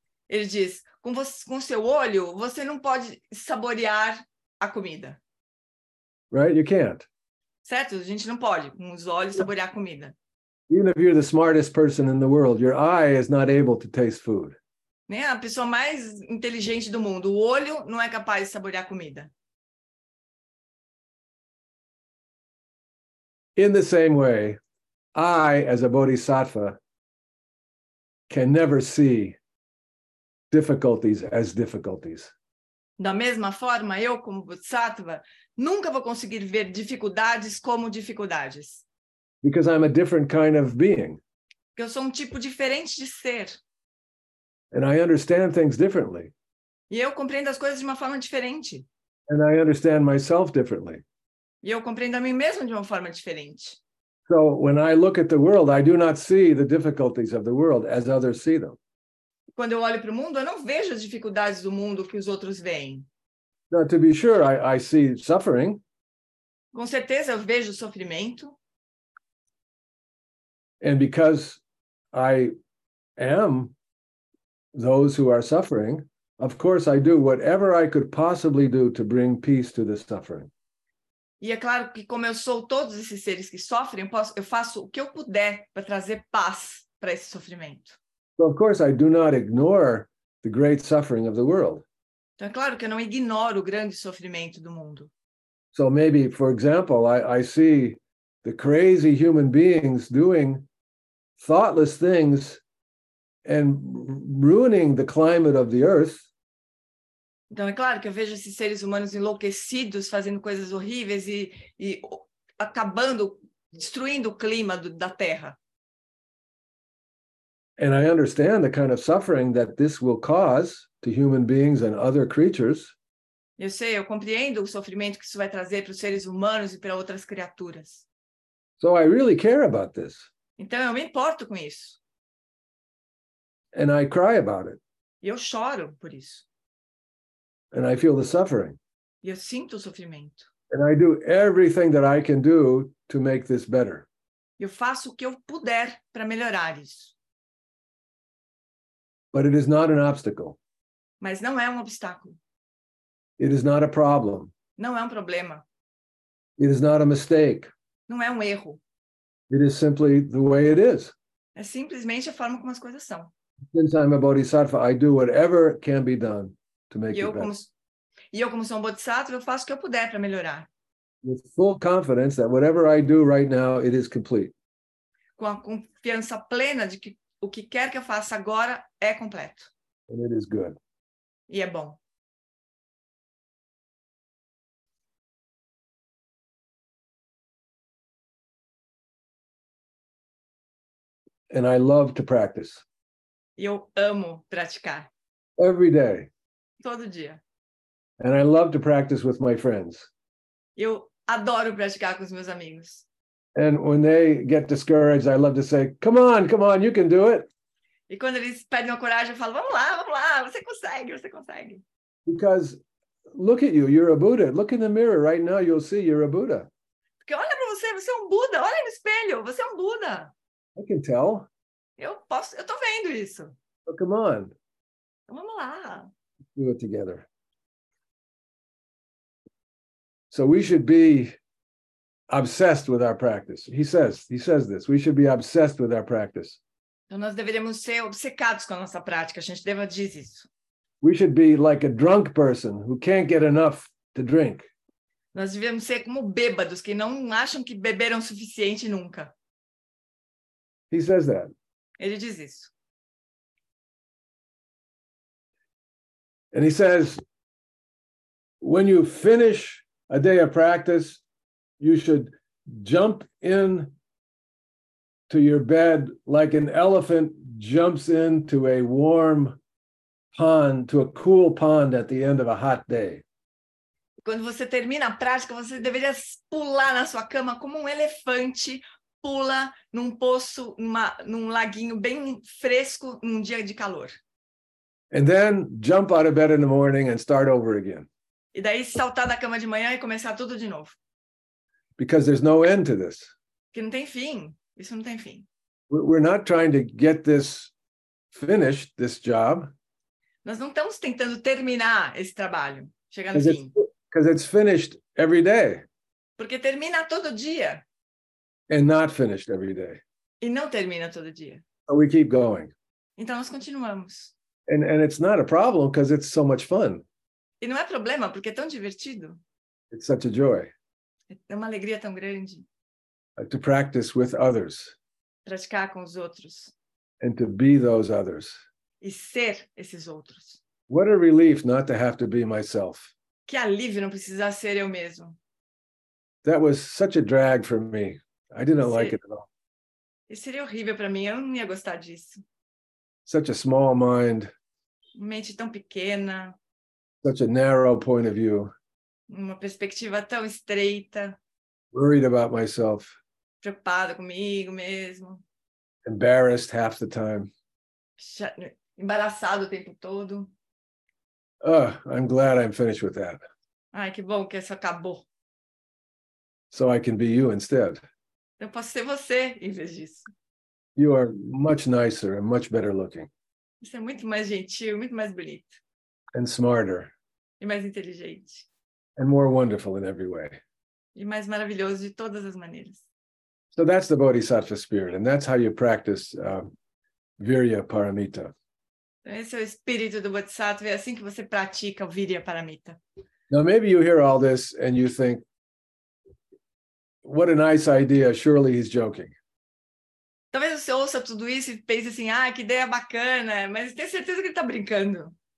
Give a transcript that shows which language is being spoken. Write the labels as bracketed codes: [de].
[pt] Ele diz, com seu olho, você não pode saborear a comida. [en] Right? You can't. [pt] Certo? A gente não pode, com os olhos, saborear a comida. [en] Even if you're the smartest person in the world, your eye is not able to taste food. [pt] Nem a pessoa mais inteligente do mundo, o olho não é capaz de saborear a comida. [en] In the same way, I, as a bodhisattva, can never see difficulties as difficulties. [pt] Da mesma forma, eu, como bodhisattva, nunca vou conseguir ver dificuldades como dificuldades. [en] Because I'm a different kind of being. [pt] Porque eu sou um tipo diferente de ser. [en] And I understand things differently. [pt] E eu compreendo as coisas de uma forma diferente. [en] And I understand myself differently. [pt] E eu compreendo a mim mesmo de uma forma diferente. [en] So when I look at the world, I do not see the difficulties of the world as others see them. [pt] Quando eu olho para o mundo, eu não vejo as dificuldades do mundo que os outros veem. [en] Now, to be sure, I see suffering. [pt] Com certeza, eu vejo sofrimento. [en] And because I am those who are suffering, of course I do whatever I could possibly do to bring peace to the suffering. [pt] E é claro que como eu sou todos esses seres que sofrem, eu faço o que eu puder para trazer paz para esse sofrimento. [en] So of course I do not ignore the great suffering of the world. [pt] Então é claro que eu não ignoro o grande sofrimento do mundo. [en] So maybe, for example, I see the crazy human beings doing thoughtless things and ruining the climate of the earth. [pt] Então é claro que eu vejo esses seres humanos enlouquecidos fazendo coisas horríveis e acabando, destruindo o clima da Terra. [en] And I understand the kind of suffering that this will cause to human beings and other creatures. [pt] Eu sei, eu compreendo o sofrimento que isso vai trazer para os seres humanos e para outras criaturas. [en] So I really care about this. [pt] Então eu me importo com isso. [en] And I cry about it. [pt] E eu choro por isso. [en] And I feel the suffering. [pt] E eu sinto o sofrimento. [en] And I do everything that I can do to make this better. [pt] Eu faço o que eu puder para melhorar isso. [en] But it is not an obstacle. [pt] Mas não é um obstáculo. [en] It is not a problem. [pt] Não é um problema. [en] It is not a mistake. [pt] Não é um erro. [en] It is simply the way it is. [pt] É simplesmente a forma como as coisas são. [en] Since I'm a bodhisattva, I do whatever can be done to make it better. [pt] E eu, como sou um bodhisattva, eu faço o que eu puder para melhorar. [en] With full confidence that whatever I do right now, it is complete. [pt] Com a confiança plena de que o que quer que eu faça agora é completo. [en] And it is good. [pt] E é bom. [en] And I love to practice. [pt] Eu amo praticar. [en] Every day. [pt] Todo dia. [en] And I love to practice with my friends. [pt] Eu adoro praticar com os meus amigos. [en] And when they get discouraged, I love to say, come on, you can do it. [pt] E quando eles perdem a coragem, eu falo, vamos lá, você consegue. [en] Because look at you, you're a Buddha. Look in the mirror right now, you'll see you're a Buddha. [pt] Porque olha para você é um Buda. Olha no espelho, você é um Buda. [en] I can tell. [pt] Eu tô vendo isso. [en] Oh, come on. [pt] Vamos lá. [en] Let's do it together. So we should be obsessed with our practice. He says this. We should be obsessed with our practice. [pt] Então nós deveríamos ser obcecados com a nossa prática. A gente deve dizer isso. [en] We should be like a drunk person who can't get enough to drink. [pt] Nós devemos ser como bêbados que não acham que beberam o suficiente nunca. [en] He says that. [pt] Ele diz isso. [en] And he says, when you finish a day of practice, you should jump in to your bed like an elephant jumps into a warm pond, to a cool pond at the end of a hot day. [pt] Quando você termina a prática, você deveria pular na sua cama como um elefante pula num poço, num laguinho bem fresco, num dia de calor. [en] And then jump out of bed in the morning and start over again. [pt] E daí saltar da cama de manhã e começar tudo de novo. [en] Because there's no end to this. [pt] Que não tem fim. Isso não tem fim. [en] We're not trying to get this finished, this job. [pt] Nós não estamos tentando terminar esse trabalho, chegar no fim. [en] Because it's finished every day. [pt] Porque termina todo dia. [en] And not finished every day. [pt] E não termina todo dia. [en] But we keep going. [pt] Então nós continuamos. [en] And it's not a problem because it's so much fun. [pt] E não é problema porque é tão divertido. [en] It's such a joy. [pt] É uma alegria tão grande. [en] To practice with others. [pt] Praticar com os outros. [en] And to be those others. [pt] E ser esses outros. [en] What a relief not to have to be myself. [pt] Que alívio não precisar ser eu mesmo. [en] That was such a drag for me. I didn't like it at all. [pt] Isso seria horrível para mim. Eu não ia gostar disso. [en] Such a small mind. [pt] Mente tão pequena. [en] Such a narrow point of view. [pt] Uma perspectiva tão estreita. [en] Worried about myself. [pt] Preocupado comigo mesmo. [en] Embarrassed half the time. [pt] Embaraçado o tempo todo. [en] I'm glad I'm finished with that. [pt] Ai, que bom que isso acabou. [en] So I can be you instead. [pt] Eu posso ser você em vez disso. [en] You are much nicer and much better looking. [pt] Você é muito mais gentil, muito mais bonito. [en] And smarter. [pt] E mais inteligente. [en] And more wonderful in every way. [pt] E mais maravilhoso de todas as maneiras. [en] So that's the Bodhisattva spirit, and that's how you practice Virya Paramita. [pt] Esse é o espírito do Bodhisattva, é assim que você pratica o Virya Paramita. [en] Now maybe you hear all this and you think, what a nice idea, surely he's joking. [pt] Talvez você ouça tudo isso e pense assim, ah, que ideia bacana, mas tenho certeza que ele está brincando.